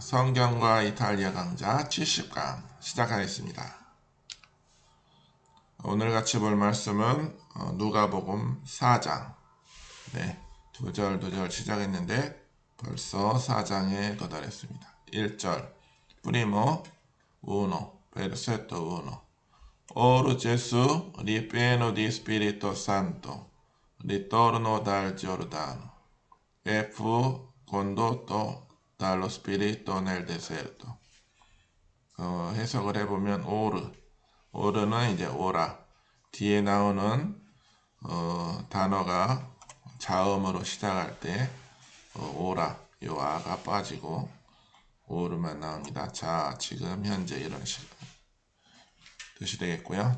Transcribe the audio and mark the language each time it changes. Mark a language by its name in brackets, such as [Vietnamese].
[Korean] 성경과 이탈리아 강좌 70강 시작하겠습니다. 오늘 같이 볼 말씀은 누가복음 4장. 네. 두절 두절 시작했는데 벌써 4장에 도달했습니다. [Italian] 1절. Primo uno, versetto uno. Or Gesù, ripieno di Spirito Santo, ritorno dal Giordano e fu condotto dallo spirito nel deserto. [Korean] 해석을 해보면 오르는 이제 오라. 뒤에 나오는 단어가 자음으로 시작할 때 오라, 요 아가 빠지고 오르만 나옵니다. 자, 지금 현재 이런 식 뜻이 되겠고요.